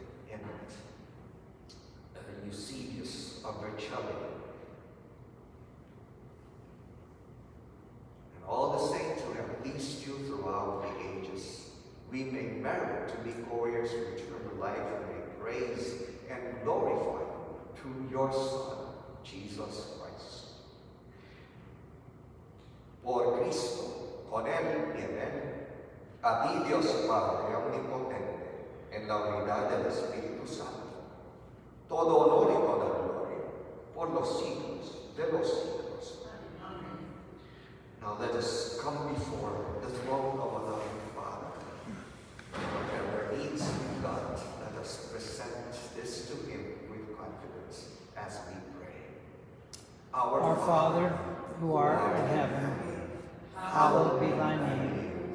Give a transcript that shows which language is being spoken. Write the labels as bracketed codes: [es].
[en] and Eusebius of Vercelli, and all the saints who have pleased you throughout the ages, we may merit to be warriors of eternal life and may praise and glorify through your Son, Jesus Christ. [es] Por Cristo, con él y en él, a ti Dios Padre omnipotente, en la unidad del Espíritu Santo, todo honor y toda gloria, por los siglos de los siglos. [en] Amen. Now let us come before the throne of our loving Father. Whatever needs of God, let us present this to him with confidence as we pray. Our Father, who art in heaven, hallowed be thy name.